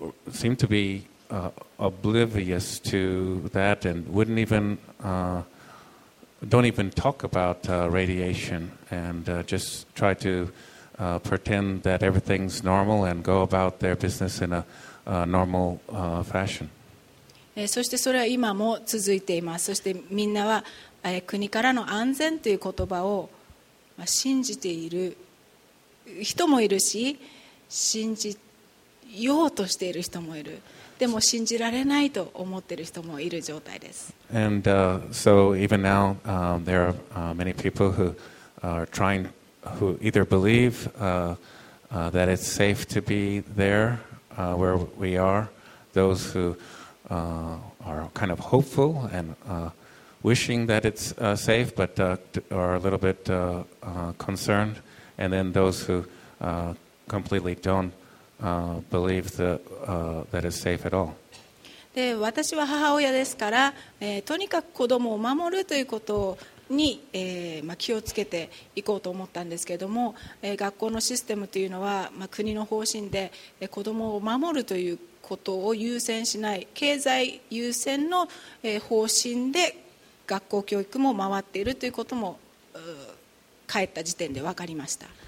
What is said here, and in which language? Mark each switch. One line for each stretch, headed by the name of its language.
English: seemed to be oblivious to that and wouldn't evenDon't even talk about radiation and just try to pretend that everything's normal and go about their business in a normal fashion.
Japanese: そしてそれは今も続いています。そしてみんなは国からの安全という言葉を信じている人もいるし、信じようとしている人もいる。でも信じられないと思っている人もいる状態です。
English: And so even now, there are many people who are trying, who either believe that it's safe to be there where we are, those who are kind of hopeful and wishing that it's safe, but are a little bit concerned, and then those who completely don't. Believe that is safe at all.
Japanese: で私は母親ですから、とにかく子供を守るということに、気をつけていこうと思ったんですけれども、学校のシステムというのは、国の方針で、子供を守るということを優先しない経済優先の、方針で学校教育も回っているということも、帰った時点で分かりました。